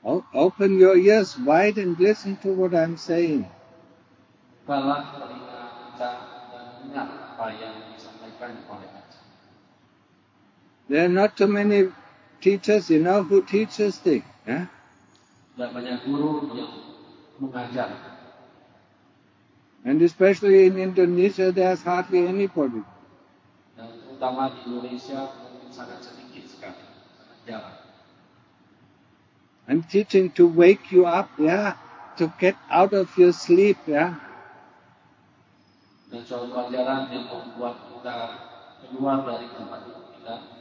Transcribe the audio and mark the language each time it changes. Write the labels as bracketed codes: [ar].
[en] Open your ears wide and listen to what I'm saying. [id] Bukalah telinga kita dan dengar apa yang disampaikan oleh [en] There are not too many teachers, you know, who teach this thing. Yeah? [id] Tidak banyak guru yang mengajar. [en] And especially in Indonesia, there's hardly anybody. [id] Dan terutama di Indonesia, sangat sedikit sekali. Sangat jarang. [en] I'm teaching to wake you up, yeah, to get out of your sleep, yeah. [id] Dan soal pelajaran yang membuat kita keluar dari tempat itu kita.